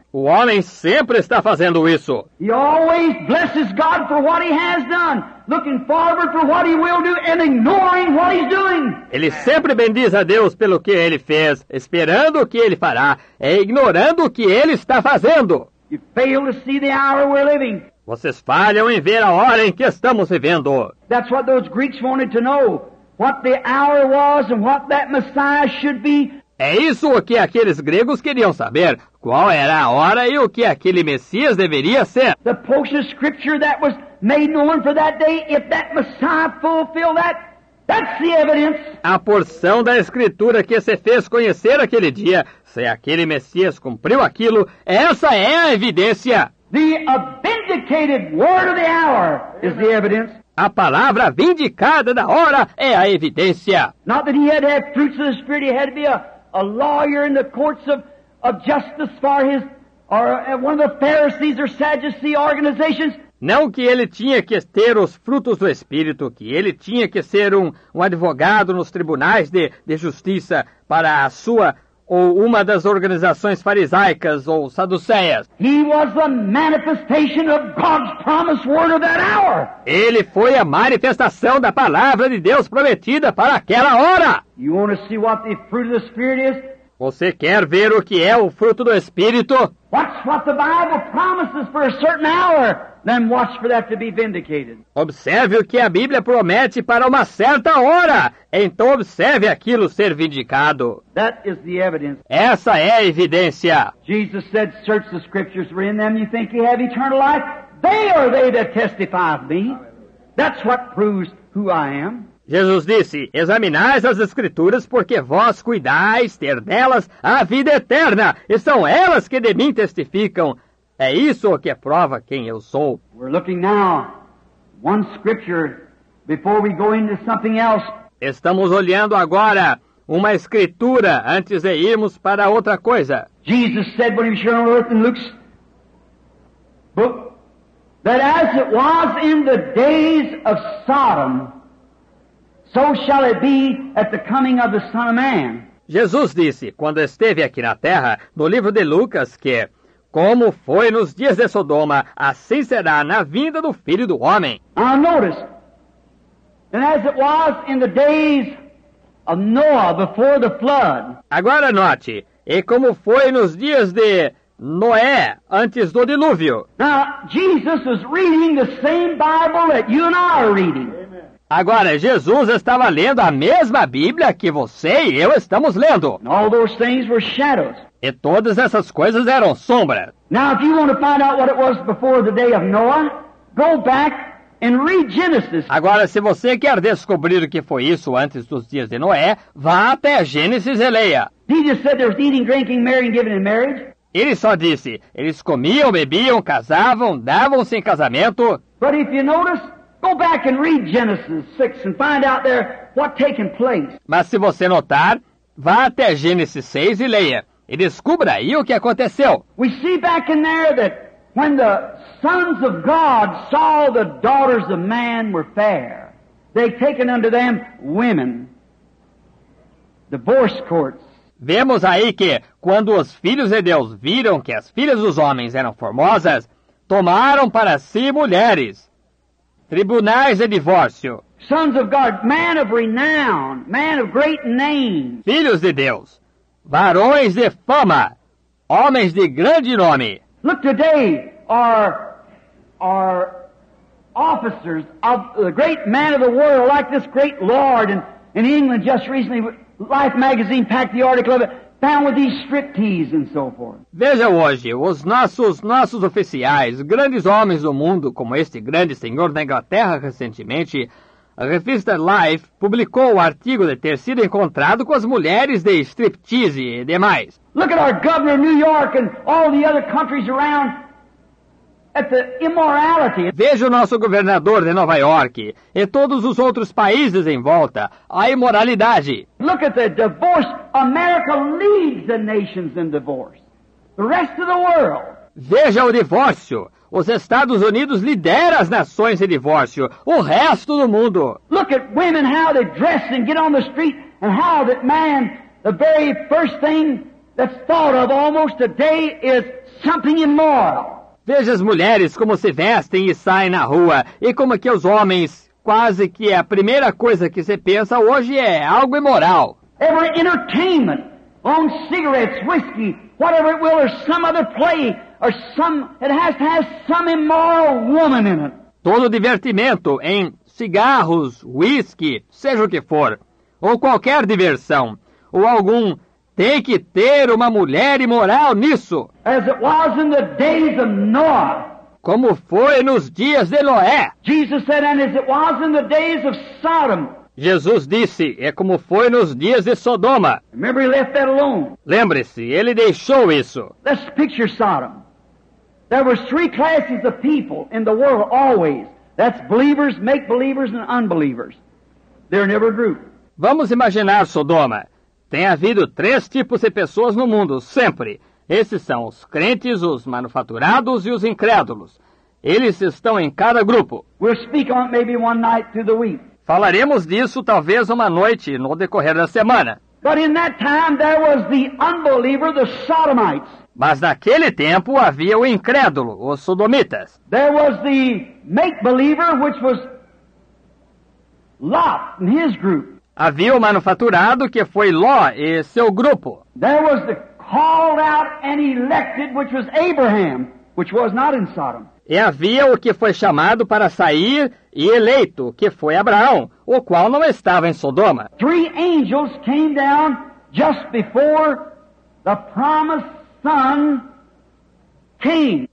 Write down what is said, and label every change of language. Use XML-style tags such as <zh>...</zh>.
<pt>O homem sempre está fazendo isso.</pt> <en>He always blesses God for what he has done, looking forward for what he will do and ignoring what he's doing.</en> <pt>Ele sempre bendiz a Deus pelo que ele fez, esperando o que ele fará e ignorando o que ele está fazendo.</pt> <en>You fail to see the hour we're living.</en> <pt>Vocês falham em ver a hora em que estamos vivendo.</pt> <en>That's what those Greeks wanted to know, what the hour was and what that Messiah should be.</en> <pt>É isso o que aqueles gregos queriam saber, qual era a hora e o que aquele Messias deveria ser.</pt> <en>The portion of scripture that was made known for that day, if that Messiah fulfilled that, that's the evidence.</en> <pt>A porção da escritura que se fez conhecer aquele dia, se aquele Messias cumpriu aquilo, essa é a evidência.</pt> <en>The vindicated word of the hour is the evidence.</en> <pt>A palavra vindicada da hora é a evidência.</pt> <en>Not that he had to have fruits of the Spirit, he had to be a lawyer in the courts of justice for his or one of the Pharisees or Sadducee organizations.</en> <pt>Não que ele tinha que ter os frutos do Espírito, que ele tinha que ser um advogado nos tribunais de justiça para a sua ou uma das organizações farisaicas ou saduceias.</pt> <en>He was the manifestation of God's promised word of that hour.</en> <pt>Ele foi a manifestação da palavra de Deus prometida para aquela hora.</pt> <en>You want to see what the fruit of the Spirit is?</en> <pt>Você quer ver o que é o fruto do Espírito?</pt> <en>Watch what the Bible promises for a certain hour, then watch for that to be vindicated.</en> <pt>Observe o que a Bíblia promete para uma certa hora, então observe aquilo ser vindicado.</pt> <en>That is the evidence.</en> <pt>Essa é a evidência.</pt> <en>Jesus said, "Search the scriptures, for in them you think you have eternal life. They are they that testify of me." That's what proves who I am.</en> <pt>Jesus disse, "Examinais as Escrituras, porque vós cuidais ter delas a vida eterna, e são elas que de mim testificam." É isso que prova quem eu sou.</pt> <en>We're looking now one scripture before we go into something else.</en> <pt>Estamos olhando agora uma Escritura antes de irmos para outra coisa.</pt> <en>Jesus said when he was here on earth in Luke's book, that as it was in the days of Sodom, so shall it be at the coming of the Son of Man.</en> <pt>Jesus disse, quando esteve aqui na terra, no livro de Lucas, que como foi nos dias de Sodoma, assim será na vinda do Filho do Homem.</pt> <en>Now notice, and as it was in the days of Noah before the flood.</en> <pt>Agora note, e como foi nos dias de Noé, antes do dilúvio.</pt> <en>Now, Jesus is reading the same Bible that you and I are reading.</en> <pt>Agora, Jesus estava lendo a mesma Bíblia que você e eu estamos lendo.</pt> <en>And all those things were shadows.</en> <pt>E todas essas coisas eram sombras.</pt> <en>Now, if you want to find out what it was before the day of Noah, go back and read Genesis.</en> <pt>Agora, se você quer descobrir o que foi isso antes dos dias de Noé, vá até Gênesis e leia.</pt> <en>Jesus said there was eating, drinking, marrying, giving in marriage.</en> <pt>Ele só disse, eles comiam, bebiam, casavam, davam-se em casamento.</pt> <en>But if you notice, go back and read Genesis 6 and find out there what taking place.</en> <pt>Mas se você notar, vá até Gênesis 6 e leia. E descubra aí o que aconteceu.</pt> <en>We see back in there that when the sons of God saw the daughters of man were fair, they taken unto them women. Divorce courts.</en> <pt>Vemos aí que, quando os filhos de Deus viram que as filhas dos homens eram formosas, tomaram para si mulheres. Tribunais de divórcio.</pt> <en>Sons of God, man of renown, man of great name.</en> <pt>Filhos de Deus, varões de fama, homens de grande nome.</pt> <en>Look today, our officers of the great man of the world, like this great lord in England just recently. Life magazine packed the article of it, found with these striptease and so forth.</en> <pt>Veja hoje, os nossos oficiais, grandes homens do mundo, como este grande senhor da Inglaterra recentemente, a revista Life publicou o artigo de ter sido encontrado com as mulheres de striptease e demais.</pt> <en>Look at our governor of New York and all the other countries around at the immorality.</en> <pt>Veja o nosso governador de Nova York e todos os outros países em volta, a imoralidade.</pt> <en>Look at the divorce. America leads the nations in divorce. The rest of the world.</en> <pt>Veja o divórcio. Os Estados Unidos lidera as nações em divórcio. O resto do mundo.</pt> <en>Look at women, how they dress and get on the street, and how that man, the very first thing that's thought of almost today is something immoral.</en> <pt>Veja as mulheres como se vestem e saem na rua, e como que os homens, quase que a primeira coisa que se pensa hoje é algo imoral.</pt> <en>Every entertainment, on cigarettes, whiskey, whatever it will, or some other play, or some, it has to have some immoral woman in it.</en> <pt>Todo divertimento em cigarros, whisky, seja o que for, ou qualquer diversão, ou algum... Tem que ter uma mulher imoral nisso.</pt> <en>As it was in the days of Noah.</en> <pt>Como foi nos dias de Noé.</pt> <en>Jesus said, and as it was in the days of Sodom.</en> <pt>Jesus disse, é como foi nos dias de Sodoma.</pt> <en>Remember, he left that alone.</en> <pt>Lembre-se, ele deixou isso.</pt> <en>Let's picture Sodom. There were three classes of people in the world always. That's believers, make-believers and unbelievers. They're never grouped.</en> <pt>Vamos imaginar Sodoma. Tem havido três tipos de pessoas no mundo, sempre. Esses são os crentes, os manufaturados e os incrédulos. Eles estão em cada grupo.</pt> <en>We'll speak on maybe one night through the week.</en> <pt>Falaremos disso talvez uma noite no decorrer da semana.</pt> <en>But in that time, there was the unbeliever, the Sodomites.</en> <pt>Mas naquele tempo havia o incrédulo, os sodomitas.</pt> <en>There was the make-believer, which was Lot and his group.</en> <pt>Havia o manufaturado, que foi Ló e seu grupo.</pt> <en>There was the called out and elected, which was Abraham, which was not in Sodom.</en> <pt>E havia o que foi chamado para sair e eleito, que foi Abraão, o qual não estava em Sodoma.</pt> <en>Three angels came down just before the promised son came.</en>